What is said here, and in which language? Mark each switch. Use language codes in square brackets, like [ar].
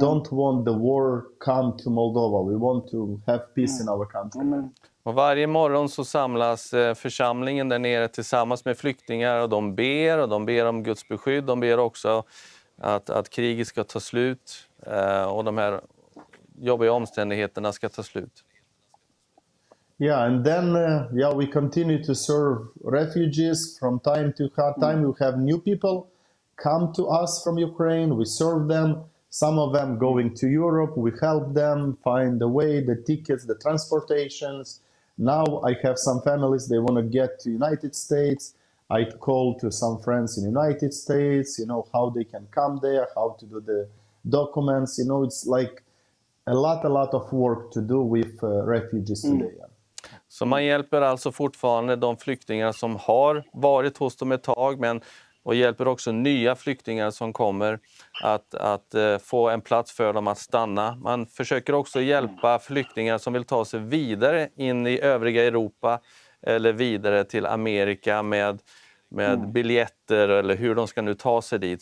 [en] Don't want the war come to Moldova. We want to have peace in our country. Amen. [sv] Och varje morgon så samlas församlingen där nere tillsammans med flyktingar och de ber om Guds beskydd. De ber också att kriget ska ta slut och de här jobbiga omständigheterna ska ta slut. [en] Yeah, and then we continue to serve refugees from time to time. We have new people come to us from Ukraine. We serve them. Some of them going to Europe. We help them find the way, the tickets, the transportations. Now I have some families, they want to get to United States. I call to some friends in United States, you know, how they can come there, how to do the documents. You know, it's like a lot of work to do with refugees today. [sv] Så man hjälper alltså fortfarande de flyktingar som har varit hos dem ett tag, men och hjälper också nya flyktingar som kommer att få en plats för dem att stanna. Man försöker också hjälpa flyktingar som vill ta sig vidare in i övriga Europa eller vidare till Amerika med biljetter eller hur de ska nu ta sig dit.